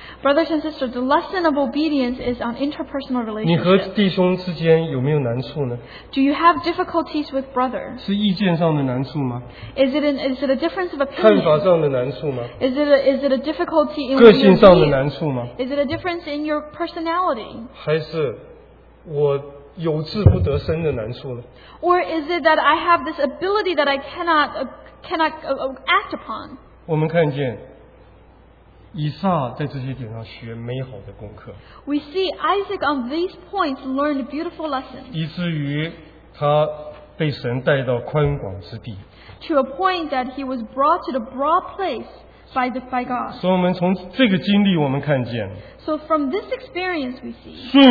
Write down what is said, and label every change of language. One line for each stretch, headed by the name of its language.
English: Brothers and sisters, the lesson of obedience is on interpersonal relationships.
Chinese: 你和弟兄之间有没有难处呢?
English: Do you have difficulties with brothers?
Chinese: 是意见上的难处吗?
English: Is it a difference of opinion?
Chinese: 看法上的难处吗?
English: Is it a difficulty in your opinion?
Chinese: 个性上的难处吗?
English: Is it a difference in your personality?
Chinese: 还是我有志不得伸的难处呢?
English: Or is it that I have this ability that I cannot act upon?
Chinese: 我们看见, 以撒在这些点上学美好的功课。
English: We see Isaac on these points learned beautiful lessons.
Chinese: 以至于他被神带到宽广之地。
English: To a point that he was brought to the broad place by God.
Chinese: 所以我们从这个经历我们看见。
English: So from this experience we see.